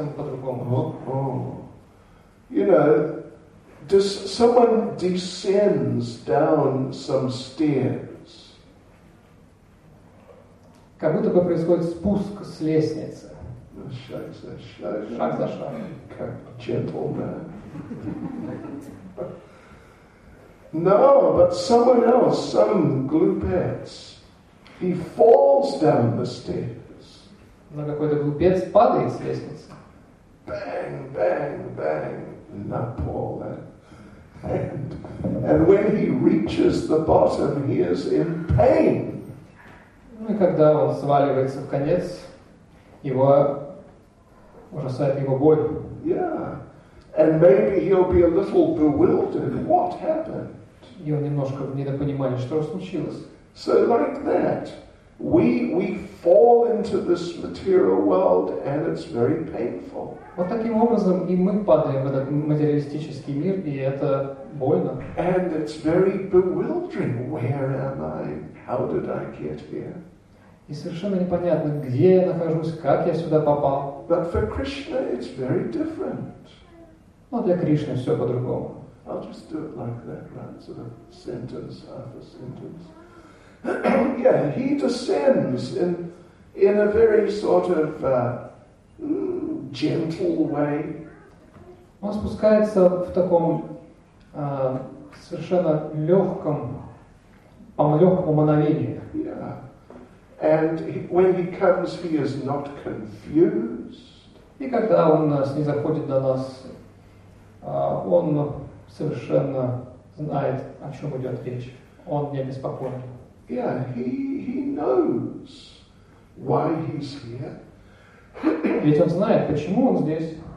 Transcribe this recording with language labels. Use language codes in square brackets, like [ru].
[en] You know, does someone descends down some stairs? [ru] Как будто бы происходит спуск с лестницы. Шаг за шагом. Шаг за шагом. Как джентльмен. [en] No, but someone else, some glupets, he falls down the stairs. [ru] Но какой-то глупец падает с лестницы. [en] Bang, bang, bang, [ru] на пол. [en] And when he reaches the bottom, he is in pain. [ru] Ну и когда он сваливается в конец, его ужасает его боль. [en] Yeah. And maybe he'll be a little bewildered. What happened? [ru] И он немножко в недопонимании, что случилось. [en] So like that. We fall into this material world and it's very painful. [ru] Вот таким образом и мы падаем в этот материалистический мир, и это больно. [en] And it's very bewildering. Where am I? How did I get here? [ru] И совершенно непонятно, где я нахожусь, как я сюда попал. [en] But for Krishna it's very different. [ru] Но для Кришны все по-другому. [en] I'll just do it like that, right? Sort of sentence, half a sentence. Yeah, he descends in a very sort of gentle way. [ru] Он спускается в таком совершенно легком, по-легкому мановению. [en] Yeah, and when he comes, he is not confused. [ru] И когда он нас не заходит на нас, он совершенно знает, о чем идет речь. Он не беспокоен. [en] Yeah, he knows why he's here. [ru] Ведь он знает, почему он здесь.